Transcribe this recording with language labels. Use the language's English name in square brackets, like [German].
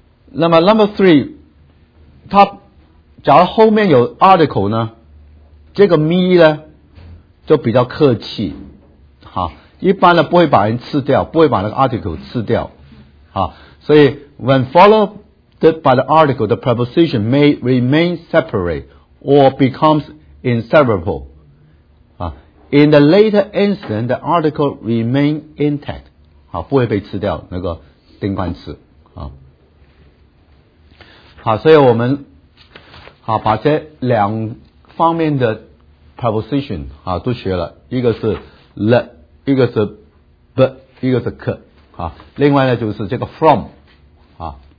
[Chinese] 那么 number three， 它假如后面有 article 呢，这个 me 呢就比较客气，好，一般呢不会把人吃掉，不会把那个 article 吃掉，好，所以 [English] when followed by the article, the preposition may remain separate or becomes inseparable. 啊 ，in the later instance, the article remain intact. [Chinese] 好，不会被吃掉那个定冠词。啊，好，所以我们好把这两方面的preposition 啊都学了，一个是 le， 一个是 be， 一个是 ke 啊，另外呢就是这个 from 啊。